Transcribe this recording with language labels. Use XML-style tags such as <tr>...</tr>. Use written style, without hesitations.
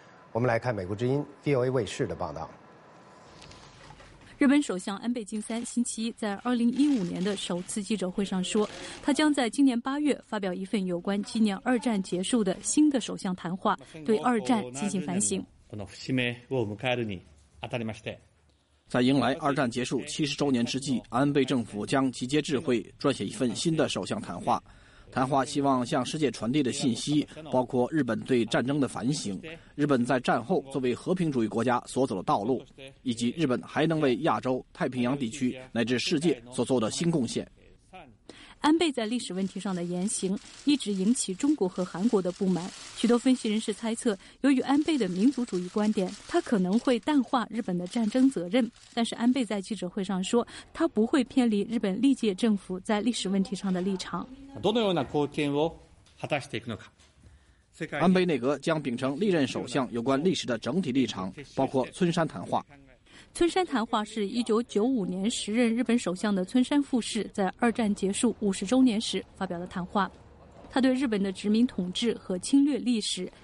<zh>我们来看美国之音 VOA 卫视的报道。日本首相安倍晋三星期一在2015年的首次记者会上说，他将在今年8月发表一份有关纪念二战结束的新的首相谈话，对二战进行反省。</zh> <ja>この節目を迎えるに当たりまして。</ja> <zh>在迎来二战结束70周年之际，安倍政府将集结智慧，撰写一份新的首相谈话。谈话希望向世界传递的信息包括日本对战争的反省，日本在战后作为和平主义国家所走的道路，以及日本还能为亚洲、太平洋地区乃至世界所做的新贡献。安倍在历史问题上的言行一直引起中国和韩国的不满，许多分析人士猜测，由于安倍的民族主义观点，他可能会淡化日本的战争责任。但是安倍在记者会上说，他不会偏离日本历届政府在历史问题上的立场。</zh> <ja>どのような貢献を果たしていくのか。</ja> <zh>安倍内阁将秉承历任首相有关历史的整体立场，包括村山谈话。村山谈话是1995年时任日本首相的村山富士在二战结束50周年时发表的谈话。他对日本的殖民统治和侵略历史</zh>